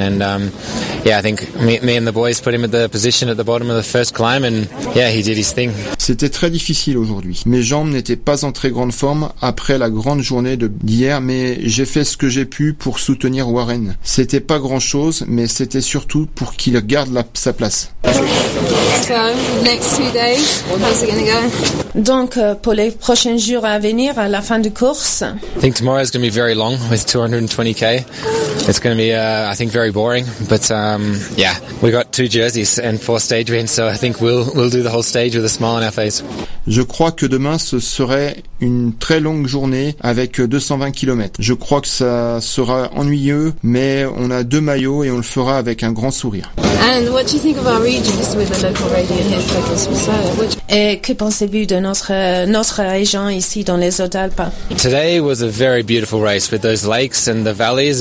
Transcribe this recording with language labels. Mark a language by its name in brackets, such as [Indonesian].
[English] And yeah, I think me and the boys put him at the position at the bottom of the first climb, and yeah, he did his thing. [French] C'était très difficile aujourd'hui. Mes jambes n'étaient pas en très grande forme après la grande journée d'hier, mais j'ai fait ce que j'ai pu pour soutenir Warren. C'était pas grand chose, mais c'était surtout pour qu'il garde sa place. [English] So, next two days, how's it gonna go? [French] Donc, pour les prochains jours à venir, à la fin de course. [English] I think tomorrow is going to be very long with 220k. It's going to be, I think, very boring. But yeah, we got two jerseys and four stage wins, so I think we'll do the whole stage with a smile on our face. [French] Je crois que demain ce serait une très longue journée avec 220 km. Je crois que ça sera ennuyeux, mais on a deux maillots et on le fera avec un grand sourire. [English] And what do you think of our region with the local radio here? [French] Et que pensez-vous de notre région ici dans les Hautes-Alpes? [English] Today was a very beautiful race with those lakes and the valleys.